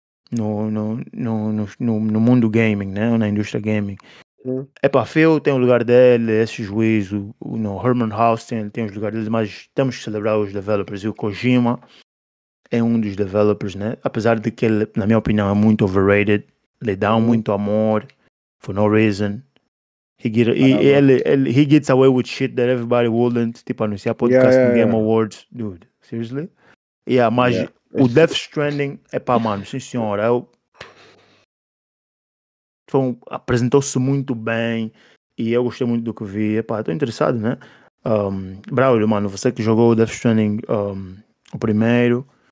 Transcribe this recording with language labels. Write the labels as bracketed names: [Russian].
[Portuguese] No mundo gaming, né? Na indústria gaming. É pá, Phil tem o lugar dele, esse juiz, o Herman House tem os lugares dele, mas temos que celebrar os developers. E o Kojima é um dos developers, né? Apesar de que ele, na minha opinião, é muito overrated. Lhe dá muito amor, [English] for no reason. He gets away with shit that everybody wouldn't, [Portuguese] tipo, anunciar podcast no [English] Game Awards. Dude, seriously? [Portuguese] Yeah, mas yeah. O Death Stranding é pá, mano, sim senhor. Apresentou-se muito bem e eu gostei muito do que vi. É pá, estou interessado, né? Braulio, mano, você que jogou o Death Stranding o primeiro.